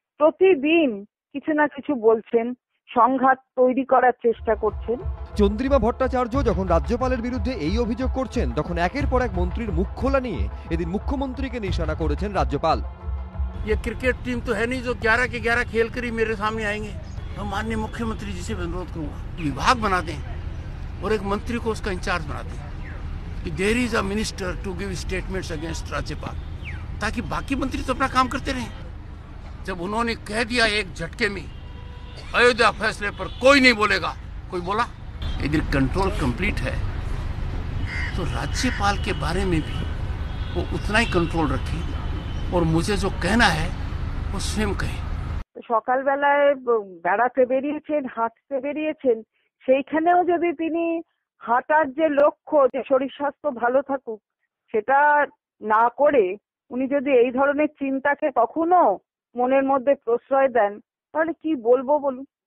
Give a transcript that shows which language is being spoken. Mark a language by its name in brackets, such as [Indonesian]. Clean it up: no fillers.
[Bangla] প্রতিদিন কিছু না কিছু বলছেন, সংঘাত তৈরি করার চেষ্টা করছেন। চন্দ্রিমা ভট্টাচার্য যখন রাজ্যপালের বিরুদ্ধে এই অভিযোগ করছেন, তখন একের পর এক মন্ত্রীর মুখ খোলা নিয়ে এদিন মুখ্যমন্ত্রীকে নিশানা করেছেন রাজ্যপাল। [Hindi] ये क्रिकेट टीम तो है नहीं जो 11 के 11 खेल कर ही मेरे सामने आएंगे। मैं माननीय मुख्यमंत्री जी से अनुरोध करूंगा, विभाग बना दें और एक मंत्री को उसका इंचार्ज बना दें कि [English] there is a minister to give statements against [Hindi] राज्यपाल, ताकि बाकी मंत्री तो अपना काम करते रहें। जब उन्होंने कह दिया एक झटके में अयोध्या फैसले पर कोई नहीं बोलेगा, कोई बोला? यदि कंट्रोल कंप्लीट है तो राज्यपाल के बारे में भी वो उतना ही कंट्रोल रखे, ওর মুছে যে কেনা হে ও সেম কে। [Bangla] সকাল বেলায় বেড়াতে বেরিয়েছেন, হাঁটতে বেরিয়েছেন, সেইখানেও যদি তিনি হাঁটার যে লক্ষ্য যে শরীর স্বাস্থ্য ভালো থাকুক সেটা না করে উনি যদি এই ধরনের চিন্তাকে কখনো মনের মধ্যে প্রশ্রয় দেন তাহলে কি বলবো বলুন।